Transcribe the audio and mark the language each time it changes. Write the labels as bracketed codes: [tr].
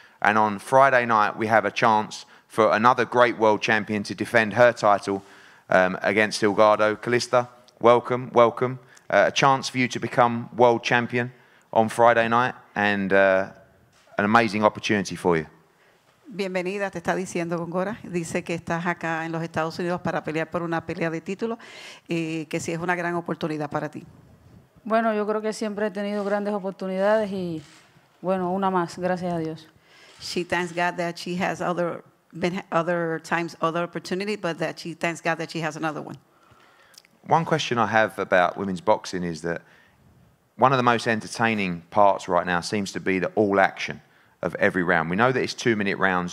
[en] And on Friday night, we have a chance for another great world champion to defend her title against Silgado. Calista, welcome, welcome. A chance for you to become world champion on Friday night, and an amazing opportunity for you. [es] Bienvenida, te está diciendo Góngora. Dice que estás acá en los Estados Unidos para pelear por una pelea de título y que sí es una gran oportunidad para ti. Bueno, yo creo que siempre he tenido grandes oportunidades y bueno, una más, gracias a Dios. [en] She thanks God that she has other opportunity, but that she thanks God that she has another one. One question I have about women's boxing is that one of the most entertaining parts right now seems to be the all action of every round. We know that it's 2-minute rounds.